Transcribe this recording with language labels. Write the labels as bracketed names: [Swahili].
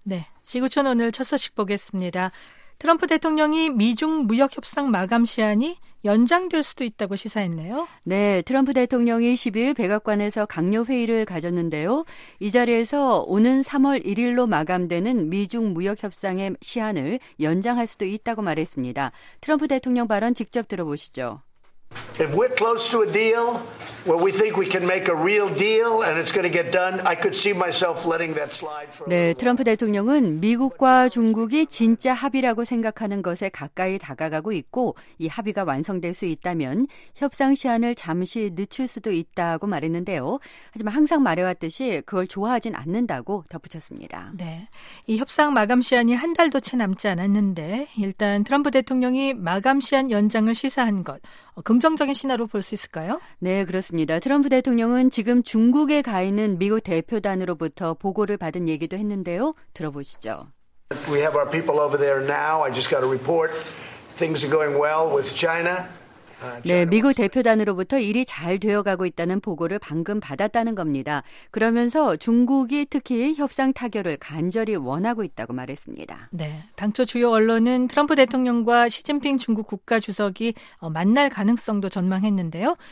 [Korean] 네, 지구촌 오늘 첫 소식 보겠습니다. 트럼프 대통령이 미중 무역협상 마감 시한이 연장될 수도 있다고 시사했네요. 네, 트럼프 대통령이 12일 백악관에서 강요 회의를 가졌는데요. 이 자리에서 오는 3월 1일로 마감되는 미중 무역협상의 시한을 연장할 수도 있다고 말했습니다. 트럼프 대통령 발언 직접 들어보시죠. [English] If we're close to a deal where we think we can make a real deal and it's going to get done, I could see myself letting that slide for. [Korean] 네, 트럼프 대통령은 미국과 중국이 진짜 합의라고 생각하는 것에 가까이 다가가고 있고 이 합의가 완성될 수 있다면 협상 시한을 잠시 늦출 수도 있다고 말했는데요. 하지만 항상 말해왔듯이 그걸 좋아하진 않는다고 덧붙였습니다. 네, 이 협상 마감 시한이 한 달도 채 남지 않았는데 일단 트럼프 대통령이 마감 시한 연장을 시사한 것. 긍정적인 신화로 볼 수 있을까요? 네, 그렇습니다. 트럼프 대통령은 지금 중국에 가 있는 미국 대표단으로부터 보고를 받은 얘기도 했는데요. 들어보시죠. [English] We have our people over there now. I just got a report. Things are going well with China. [Korean] 네, 미국 대표단으로부터 일이 잘 되어가고 있다는 보고를 방금 받았다는 겁니다. 그러면서 중국이 특히 협상 타결을 간절히 원하고 있다고 말했습니다. 네, 당초 주요 언론은 트럼프 대통령과 시진핑 중국 국가주석이 만날 가능성도 전망했는데요.